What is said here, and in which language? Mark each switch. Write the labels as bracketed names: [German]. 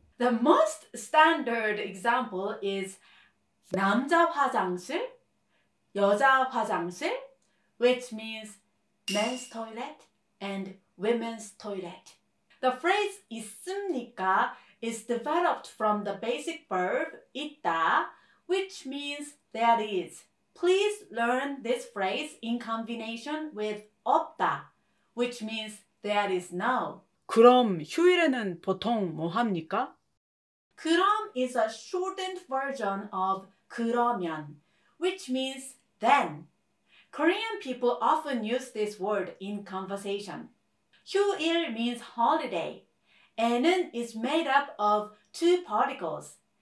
[English] The most standard example is [Korean] 남자 화장실, 여자 화장실, [English] which means men's toilet and women's toilet. The phrase 있습니까 is developed from the basic verb 있다, which means there is. Please learn this phrase in combination with 없다, which means there is no. [Korean] 그럼 휴일에는 보통 뭐 합니까? [English] 그럼 is a shortened version of 그러면, which means then. Korean people often use this word in conversation. 휴일 means holiday. 에는 is made up of two particles.